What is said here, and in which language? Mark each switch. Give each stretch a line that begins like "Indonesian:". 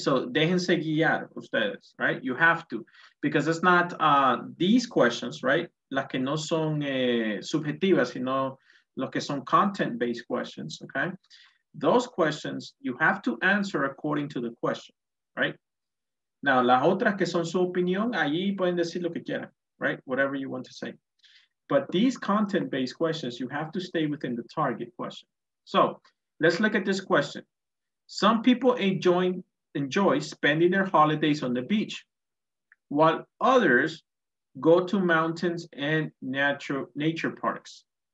English: So,
Spanish: déjense guiar ustedes,
English: right? You have to, because it's not these questions, right?
Spanish: Las que no son subjetivas, sino lo que son
English: content-based questions,
Spanish: okay?
English: Those questions, you have to answer according to the question, right?
Spanish: Now, las otras que son su opinión, ahí pueden decir lo que quieran, right?
English: Whatever you want to say. But these content-based questions, you have to stay within the target question. So let's look at this question. Some people enjoy spending their holidays on the beach, while others go to mountains and nature parks.